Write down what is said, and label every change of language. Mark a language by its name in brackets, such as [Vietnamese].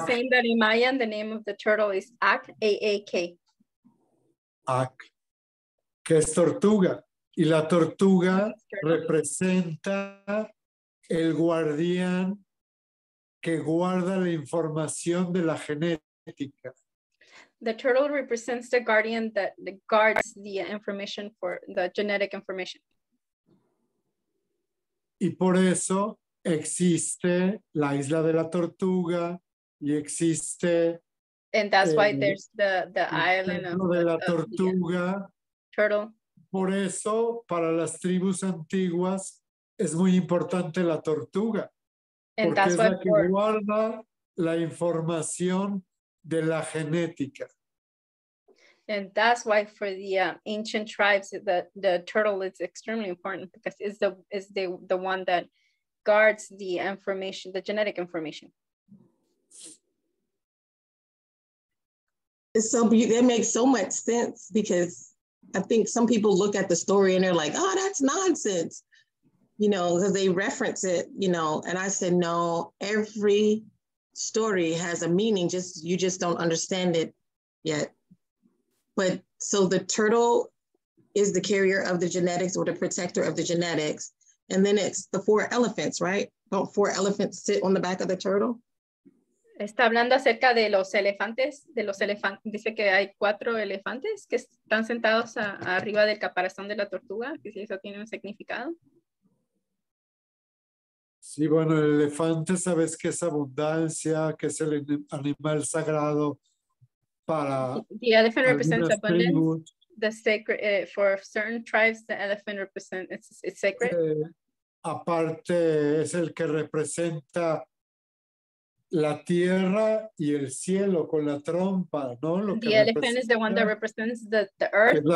[English] I'm saying that in Mayan, the name of the turtle is ak, A-A-K. [Spanish] Ak, que es tortuga. Y la tortuga representa el guardián que guarda la información de la genética. [English] The turtle represents the guardian that guards the information for the genetic information. [Spanish] Y por eso existe la isla de la tortuga y existe. [English] And that's why there's the island of [Spanish] la tortuga. [English] The turtle. [Spanish] Por eso para las tribus antiguas es muy importante la tortuga. [English] And that's [Spanish] es [English] why [Spanish] la que guarda la información de la genética. [English] And that's why for the ancient tribes, the turtle is extremely important, because it's the one that guards the information, the genetic information. It's so that makes so much sense, because I think some people look at the story and they're like, oh, that's nonsense, you know, because they reference it, you know, and I said, no, every story has a meaning, you just don't understand it yet. But so the turtle is the carrier of the genetics, or the protector of the genetics. And then it's the four elephants, right? Don't four elephants sit on the back of the turtle? [Spanish] Está hablando acerca de los elefantes, dice que hay cuatro elefantes que están sentados arriba del caparazón de la tortuga, que si eso tiene un significado. Sí, bueno, el elefante, sabes que es abundancia, que es el animal sagrado. [English] The elephant represents abundance. The sacred for certain tribes, the elephant represents it's sacred. [Spanish] Aparte, es el que representa la tierra y el cielo con la trompa, ¿no? [English] The elephant is the one that represents the earth,